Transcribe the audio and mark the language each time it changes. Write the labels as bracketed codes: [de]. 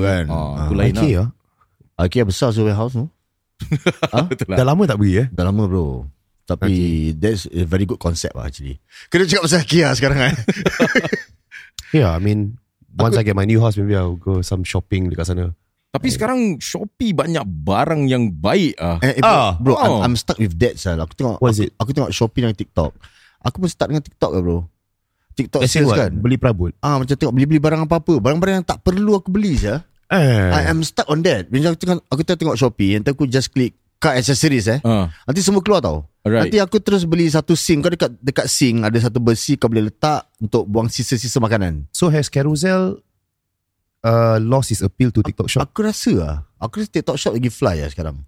[ms] kan. IKEA besar tu warehouse tu. Dah lama tak pergi Dah lama bro. Tapi [en] that's a very good concept [ms] lah actually. Kena cakap pasal IKEA sekarang kan? [en] Yeah, I mean, once I get my new house, maybe I'll go some shopping [ms] dekat sana. Tapi sekarang Shopee banyak barang yang baik lah. [en] I'm stuck with that [ms] sah. Aku tengok, aku tengok Shopee dan TikTok. Aku pun stuck dengan TikTok lah bro. TikTok sales kan? Beli perabot. Macam tengok beli-beli barang apa-apa. Barang-barang yang tak perlu aku beli sah. [en] I am stuck on that. [ms] Macam aku tengok Shopee, nanti aku [en] just click car accessories [ms] nanti semua keluar tau. Nanti aku terus beli satu sink. Kau dekat sink ada satu besi, kau boleh letak untuk buang sisa-sisa makanan. [en] So has Carousel lost its appeal to TikTok Shop? [ms] Aku rasa TikTok Shop lagi fly sekarang.